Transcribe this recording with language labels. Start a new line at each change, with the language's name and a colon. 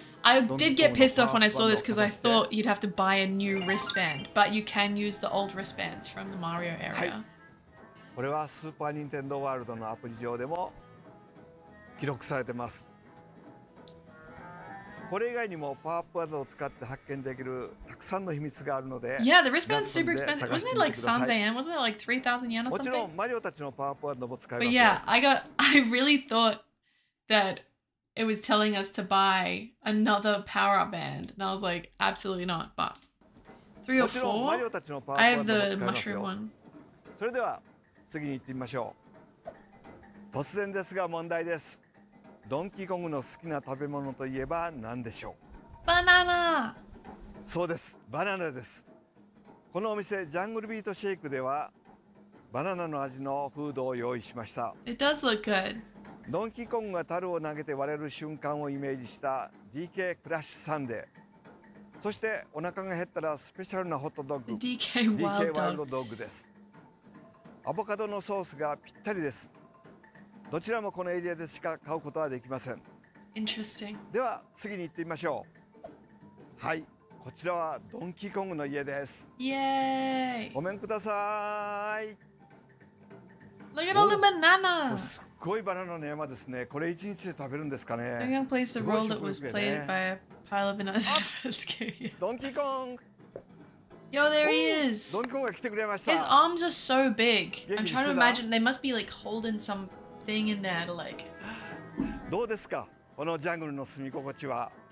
English: I did get pissed off when I saw this because I thought you'd have to buy a new wristband, but you can use the old wristbands from the Mario area.
Japanese: これはスーパーニンテンドーワールドのアプリ上でも記録されてます。これ以外にもパワーアップワードを使って発見できるたくさんの秘密があるので、
English: Yeah, the wristband is super expensive. Wasn't it like 3,000 yen? Wasn't it like 3,000 yen or something?
Japanese: もちろんマリオたちのパワーアップワードも使えます。
English: But yeah, I really thought that it was telling us to buy another power up band, and I was like, absolutely not. But three or four.
Japanese: もちろんマリオたちのパワーアップワードも使えますよ。
English: I have the mushroom one.
Japanese: それでは次に行ってみましょう。突然ですが問題です。ドンキーコングの好きな食べ物といえば何でしょう。バナナ。そうです、バナナです。このお店ジャングルビートシェイクではバナナの味のフードを用意しました。
English: It does look good。
Japanese: ドンキーコングが樽を投げて割れる瞬間をイメージした DK クラッシュサンデー。そしてお腹が減ったらスペシャルなホットドッグ。 DK ワールドドッグ。 DK ワールドドッグです。アボカドのソースがぴったりです。どちらもこのエリアでしか買うことはできません。
English: Interesting.
Japanese: では次に行ってみましょう。はい、こちらはドンキーコングの家です。イエーイ。ごめんください。
English: Look at all the banana.
Japanese: すっごいバナナの山ですね。これ一日で食べるんですかね。
English: I'm gonna place the roll that was plated by a pile of bananas.
Japanese: ドンキーコング。
English: Yo, there he is.
Japanese: ドンキーコングが来てくれました。
English: His arms are so big. I'm trying to imagine they must be like holding some. Thing in there to like.
Japanese: どうですか、このジャングルの住み心地は。